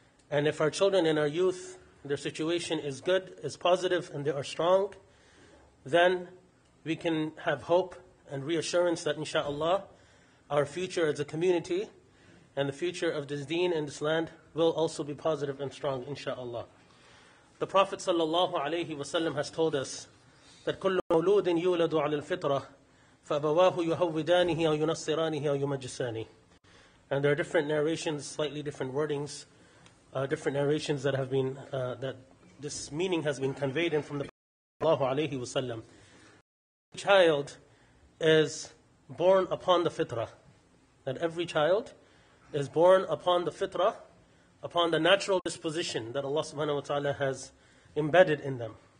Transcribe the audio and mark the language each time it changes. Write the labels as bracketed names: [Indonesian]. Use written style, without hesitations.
[English] And if our children and our youth, their situation is good, is positive, and they are strong, then we can have hope and reassurance that inshallah, our future as a community and the future of this deen and this land will also be positive and strong, inshallah. The Prophet sallallahu alayhi wasallam has told us that [Arabic] كُلُّ مَوْلُودٍ يُولَدُ عَلَى الْفِطْرَةِ فَأَبَوَاهُ يُهَوِّدَانِهِ أَوْ يُنَصِّرَانِهِ أَوْ يُمَجِّسَانِهِ. [English] And there are different narrations, slightly different wordings, different narrations that have been, that this meaning has been conveyed in from the Prophet ﷺ. A child is born upon the fitrah. That every child is born upon the fitrah, upon the natural disposition that Allah subhanahu wa ta'ala has embedded in them.